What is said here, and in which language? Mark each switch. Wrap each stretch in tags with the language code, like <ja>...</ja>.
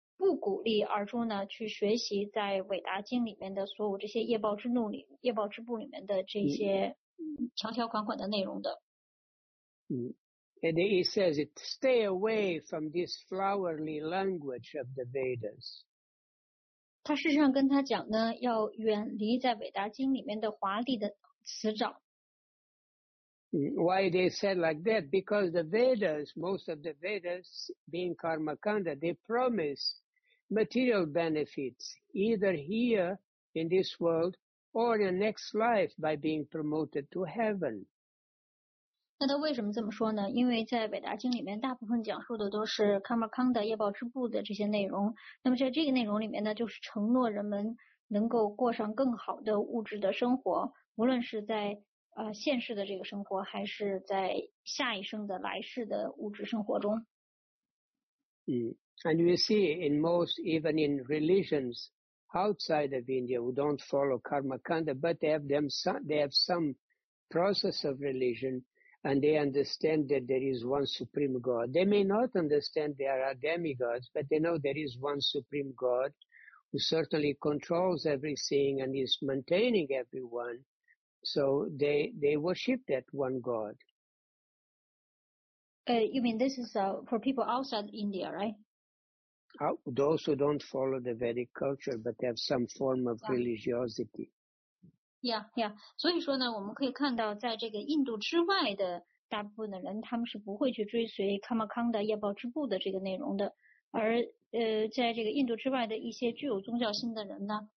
<zh>不鼓励而说呢去学习在伟达经里面的所有这些业报之怒里业报之部里面的这些条条款款的内容的。</zh> <en>And he says it, stay away from this flowery language of the Vedas.</en> <zh>他事实上跟他讲呢要远离在伟达经里面的华丽的词藻。</zh> <en>Why they said like that? Because the Vedas, most of the Vedas, being Karma Kanda, they promise material benefits either here in this world or in the next life by being promoted to heaven.</en> <zh>那他为什么这么说呢？因为在伟达经里面，大部分讲述的都是 Karma Kanda 业报支部的这些内容。那么在这个内容里面呢，就是承诺人们能够过上更好的物质的生活，无论是在现世的这个生活还是在下一生的来世的物质生活中。</zh> <en>And you see in most, even in religions outside of India who don't follow Karma Kanda, but they have some process of religion and they understand that there is one supreme God. They may not understand there are demigods, but they know there is one supreme God who certainly controls everything and is maintaining everyone. So they worship that one God. You mean this is for people outside India, right? Those who don't follow the Vedic culture but have some form of religiosity. Yeah, yeah.</en> <zh>所以说呢，我们可以看到，在这个印度之外的大部分的人，他们是不会去追随 Kama Kanda 业报支部的这个内容的。而在这个印度之外的一些具有宗教心的人呢？</zh>